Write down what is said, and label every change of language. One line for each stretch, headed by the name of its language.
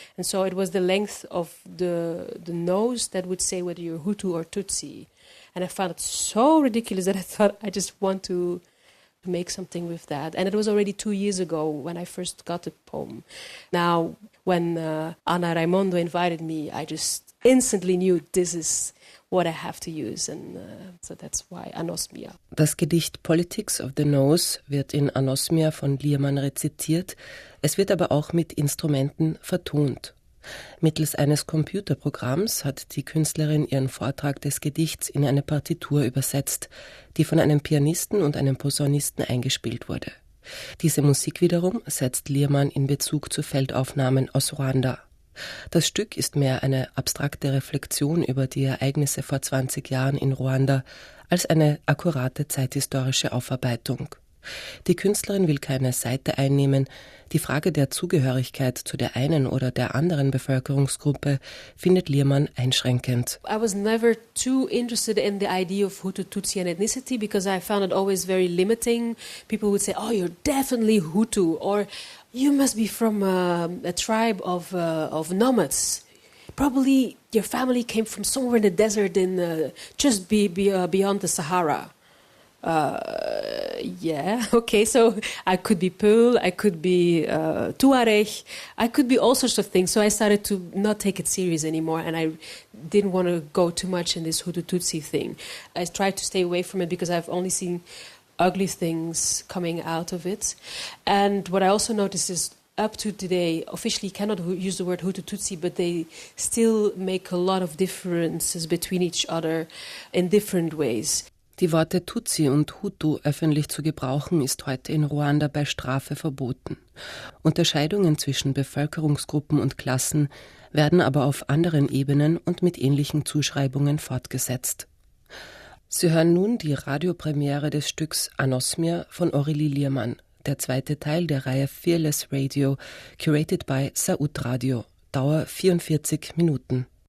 English: And so it was the length of the nose that would say whether you're Hutu or Tutsi. And I found it so ridiculous that I thought I just want to to make something with that. And it was already 2 years ago when I first got the poem. Now, when Anna Raimondo invited me, I just instantly knew this is what I have to use. And so that's why Anosmia.
German: Das Gedicht Politics of the Nose wird in Anosmia von Liermann rezitiert. Es wird aber auch mit Instrumenten vertont. Mittels eines Computerprogramms hat die Künstlerin ihren Vortrag des Gedichts in eine Partitur übersetzt, die von einem Pianisten und einem Posaunisten eingespielt wurde. Diese Musik wiederum setzt Liermann in Bezug zu Feldaufnahmen aus Ruanda. Das Stück ist mehr eine abstrakte Reflexion über die Ereignisse vor 20 Jahren in Ruanda als eine akkurate zeithistorische Aufarbeitung. Die Künstlerin will keine Seite einnehmen. Die Frage der Zugehörigkeit zu der einen oder der anderen Bevölkerungsgruppe findet Liermann einschränkend.
English: I was never too interested in the idea of Hutu, Tutsi and ethnicity because I found it always very limiting. People would say, oh, you're definitely Hutu or you must be from a tribe of nomads. Probably your family came from somewhere in the desert in beyond the Sahara. So I could be Peul, I could be Tuareg, I could be all sorts of things. So I started to not take it serious anymore and I didn't want to go too much in this Hutu Tutsi thing. I tried to stay away from it because I've only seen ugly things coming out of it. And what I also noticed is up to today, officially cannot use the word Hutu Tutsi, but they still make a lot of differences between each other in different ways.
German: Die Worte Tutsi und Hutu öffentlich zu gebrauchen, ist heute in Ruanda bei Strafe verboten. Unterscheidungen zwischen Bevölkerungsgruppen und Klassen werden aber auf anderen Ebenen und mit ähnlichen Zuschreibungen fortgesetzt. Sie hören nun die Radiopremiere des Stücks Anosmia von Aurélie Liermann, der zweite Teil der Reihe Fearless Radio,
English: curated by Saud Radio,
German: Dauer 44 Minuten.